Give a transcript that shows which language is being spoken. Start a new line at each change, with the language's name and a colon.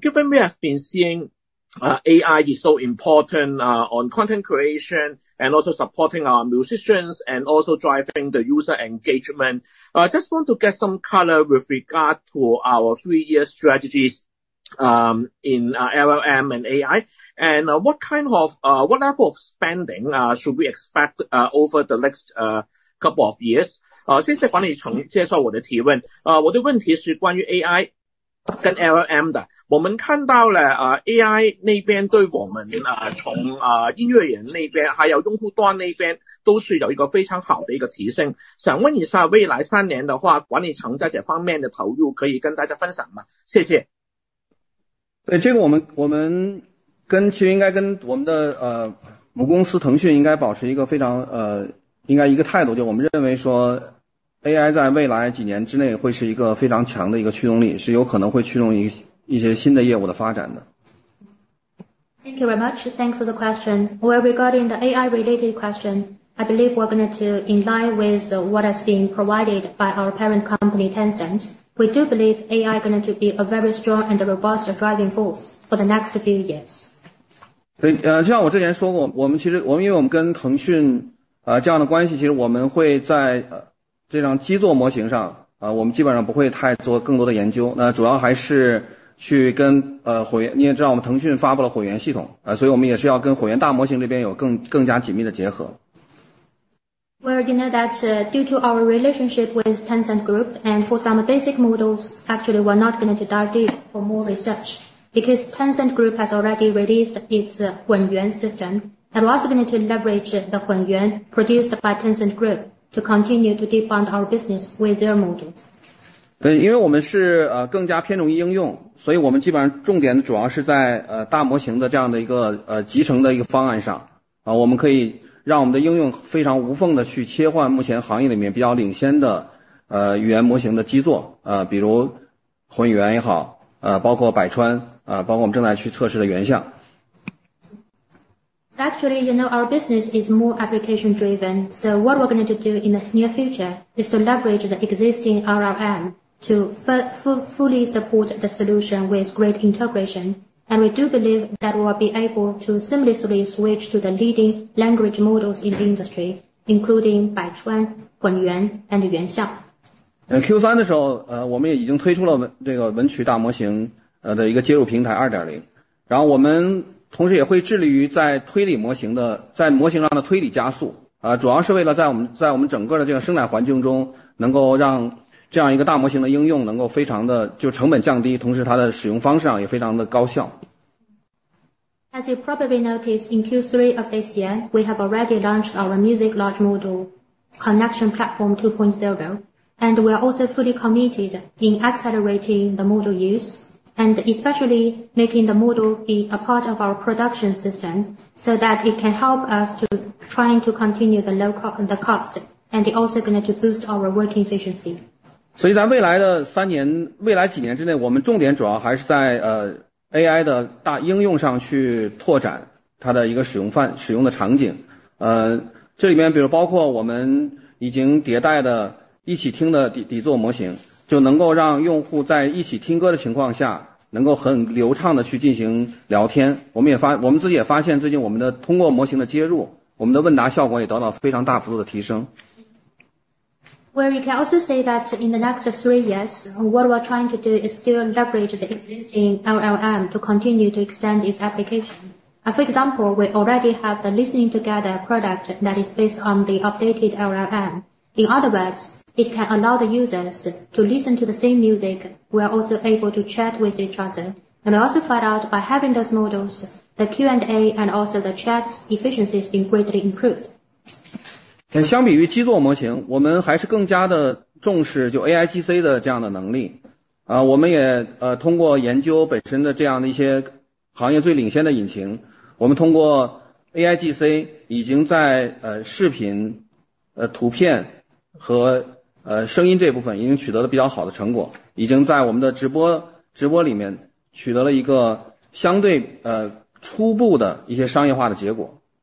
English: Given we have been seeing AI is so important on content creation and also supporting our musicians and also driving the user engagement, I just want to get some color with regard to our three-year strategies. LLM and AI, and what level of spending should we expect over the next couple of years?
Chinese: 谢谢管理层接受我的提问。我的问题是关于 AI 跟 LLM 的。我们看到了AI 那边对我们从音乐人那边还有用户端那边都是有一个非常好的一个提升。想问一下未来三年的话，管理层在这方面的投入可以跟大家分享吗？谢谢。对，这个我们跟其实应该跟我们的母公司腾讯应该保持一个非常应该一个态度，就我们认为说 AI 在未来几年之内会是一个非常强的一个驱动力，是有可能会驱动一些新的业务的发展的。
English: Thank you very much. Thanks for the question. Well, regarding the AI related question, I believe we're going to in line with what has been provided by our parent company Tencent. We do believe AI is going to be a very strong and robust driving force for the next few years.
Chinese: 对，就像我之前说过，我们跟腾讯这样的关系，其实我们会在这种基座模型上我们基本上不会太做更多的研究。那主要还是去跟火源，你也知道我们腾讯发布了火源系统所以我们也是要跟火源大模型这边有更加紧密的结合。
English: Well, you know that due to our relationship with Tencent Group and for some basic models, actually we're not going to dive deep for more research because Tencent Group has already released its Hunyuan system and we're also going to leverage the Hunyuan produced by Tencent Group to continue to deepen our business with their model.
Chinese: 对，因为我们是更加偏重于应用，所以我们基本上重点主要是在大模型的这样的一个集成的一个方案上我们可以让我们的应用非常无缝的去切换目前行业里面比较领先的语言模型的基座比如混语言也好包括百川包括我们正在去测试的原像。
English: Actually, you know, our business is more application driven, so what we're going to do in the near future is to leverage the existing LLM to fully support the solution with great integration. And we do believe that we will be able to seamlessly switch to the leading language models in the industry, including 百川、混元 and 元校。
Chinese: Q3 的时候我们也已经推出了这个文曲大模型的一个接入平台 2.0。然后我们同时也会致力于在推理模型的在模型上的推理加速主要是为了在我们整个的这个生产环境中能够让这样一个大模型的应用能够非常的就成本降低，同时它的使用方式上也非常的高效。
English: As you probably noticed, in Q3 of this year, we have already launched our music large model connection platform 2.0, and we are also fully committed in accelerating the model use and especially making the model be a part of our production system so that it can help us to trying to continue the low cost, the cost, and it also going to boost our working efficiency.
Chinese: 所以在未来的三年，未来几年之内，我们重点主要还是在AI 的大应用上去拓展它的一个使用的场景。这里面比如包括我们已经迭代的一起听的底座模型，就能够让用户在一起听歌的情况下能够很流畅的去进行聊天。我们自己也发现最近我们的通过模型的接入，我们的问答效果也得到非常大幅度的提升。
English: Where you can also say that in the next 3 years, what we're trying to do is still leverage the existing LLM to continue to expand its application. For example, we already have the Listening Together product that is based on the updated LLM. In other words, it can allow the users to listen to the same music. We are also able to chat with each other. And we also find out by having those models, the Q&A and also the chat's efficiency has been greatly improved.
Chinese: 相比于基座模型，我们还是更加的重视就 AIGC 的这样的能力。我们也通过研究本身的这样的一些行业最领先的引擎，我们通过 AIGC 已经在视频、图片和声音这部分已经取得了比较好的成果，已经在我们的直播里面取得了一个相对初步的一些商业化的结果。